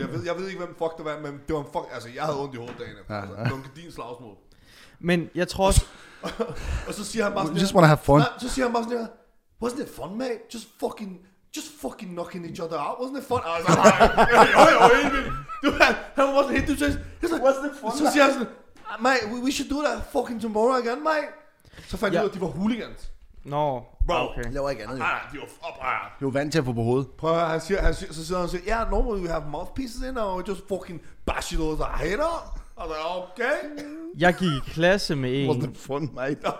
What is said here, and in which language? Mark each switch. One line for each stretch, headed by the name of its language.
Danish: Jeg ved ikke, hvem fuck det var, men det var en fuck... Altså, jeg havde ondt i hovedet dagen. Altså, det var en kardinslagsmål. Men jeg tror og så siger han bare sådan...
English: We just want to have fun.
Danish: Så siger han bare sådan her,
English: wasn't it fun, mate? Just fucking knocking each other out, wasn't it fun?
Danish: Og jeg var sådan, nej, han var sådan helt dybt.
English: Wasn't it fun,
Danish: så siger han sådan...
English: Mate, we should do that fucking tomorrow again, mate.
Danish: Så fandt jeg ud af, at de var hooligans.
English: No. Bro, okay.
Danish: Lav ikke andet. De var fup. De var vant til at få på hovedet. Prøv at høre, han siger,
English: yeah, normally we have mouthpieces in, or we just fucking bash it over the head up.
Danish: Og da, okay. Jeg gik i klasse med en.
English: Wasn't fun, mate.